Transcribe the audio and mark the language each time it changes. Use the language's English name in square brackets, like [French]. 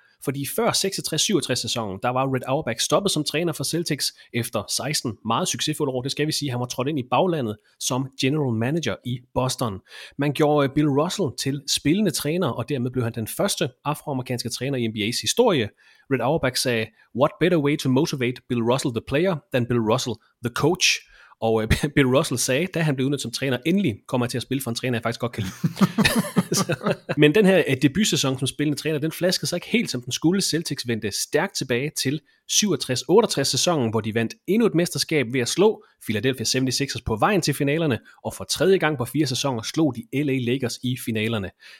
[Danish] fordi før 66-67 sæsonen, der var Red Auerbach stoppet som træner for Celtics efter 16 meget succesfulde år. Det skal vi sige, han var trådt ind i baglandet som general manager i Boston. Man gjorde Bill Russell til spillende træner, og dermed blev han den første afroamerikanske træner i NBA's historie. Red Auerbach sagde, [English] "What better way to motivate Bill Russell the player than Bill Russell the coach?" [Danish] Og Bill Russell sagde, da han blev udnævnt som træner, endelig kommer jeg til at spille for en træner, jeg faktisk godt kan lide. Men den her debutsæson som spillende træner, den flaskede sig ikke helt, som den skulle. Celtics vendte stærkt tilbage til 67-68 sæsonen, hvor de vandt endnu et mesterskab ved at slå Philadelphia 76ers på vejen til finalerne, og for tredje gang på fire sæsoner slog de LA Lakers i finalerne.